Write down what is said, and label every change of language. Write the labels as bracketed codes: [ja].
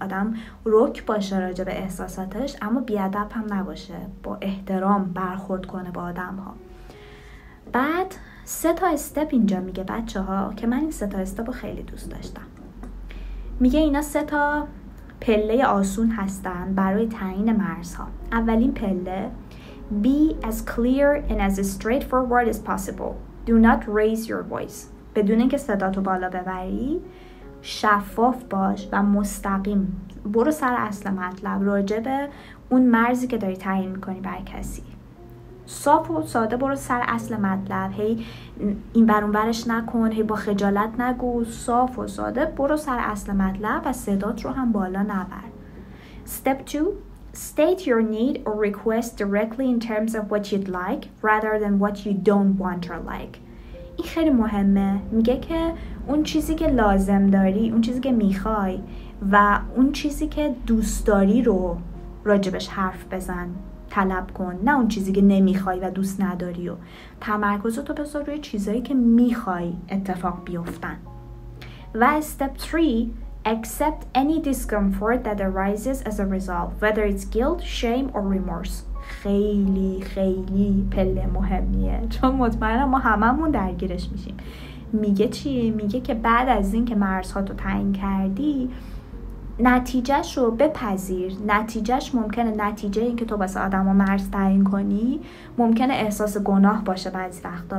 [fa] آدم روک باشه راجع به احساساتش اما بیادب هم نباشه، با احترام برخورد کنه با آدم ها. بعد سه تا استپ اینجا میگه بچه ها که من این سه تا استپ رو خیلی دوست داشتم. میگه اینا سه تا پله آسون هستن برای تعیین مرزها. اولین پله [en] be as clear and as straightforward as possible. Do not raise your voice. [fa] بدون اینکه صداتو بالا ببری، شفاف باش و مستقیم. برو سر اصل مطلب، راجع به اون مرزی که داری تعیین می‌کنی برای کسی. صاف و ساده برو سر اصل مطلب. هی این بر اون برش نکن، هی با خجالت نگو، صاف و ساده برو سر اصل مطلب و صدات رو هم بالا نبر. [en] Step 2. State your need or request directly in terms of what you'd like rather than what you don't want or like. [fa] این خیلی مهمه، میگه که اون چیزی که لازم داری، اون چیزی که میخوای و اون چیزی که دوست داری رو راجبش حرف بزن، طلب کن، نه اون چیزی که نمیخوای و دوست نداری و تمرکزتو بذار روی چیزایی که میخوای اتفاق بیفتن. و [en] step 3 accept any discomfort that arises as a result, whether it's guilt, shame or remorse. [fa] خیلی خیلی پله مهمیه، چون مطمئنم ما هممون درگیرش میشیم. میگه چی؟ میگه که بعد از این که مرزها تو تعیین کردی، نتیجهش رو بپذیر. نتیجهش ممکنه نتیجه این که تو واسه آدم ها مرز تعیین کنی ممکنه احساس گناه باشه بعضی وقتا.